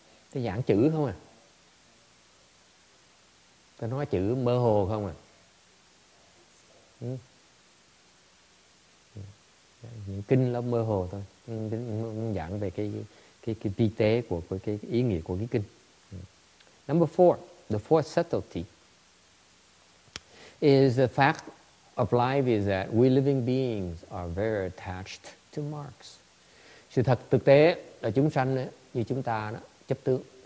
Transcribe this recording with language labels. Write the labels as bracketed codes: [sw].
[vi] Thế giảng chữ không à? Tôi nói chữ mơ hồ không à? Những kinh lắm mơ hồ thôi. Mình giảng về cái vi tế của cái ý nghĩa của cái kinh. [en] Number four, the fourth subtlety is the fact of life is that we living beings are very attached to marks. [vi] Sự thật thực tế là chúng sanh như chúng ta đó, chấp tướng.